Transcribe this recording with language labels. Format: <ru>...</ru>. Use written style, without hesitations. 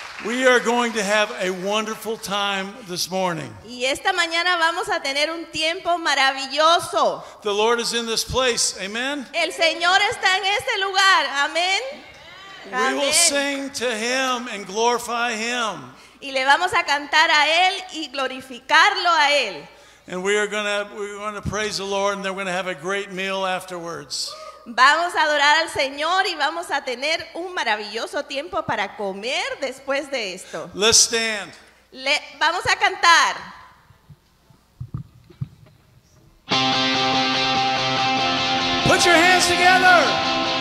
<en>We are going to have a wonderful time this morning.</en> <es>Y esta mañana vamos a tener un tiempo maravilloso.</es> <en>The Lord is in this place. Amen.</en> <es>El Señor está en este lugar. Amen.</es> <en>We Amen. Will sing to Him and glorify Him.</en> <es>Y le vamos a cantar a Él y glorificarlo a Él.</es> <en>And we're going to praise the Lord, and then we're going to have a great meal afterwards.</en> <es>Vamos a adorar al Señor y vamos a tener un maravilloso tiempo para comer después de esto.</es> <en>Let's stand.</en> <es>Vamos a cantar.</es> <en>Put your hands together.</en>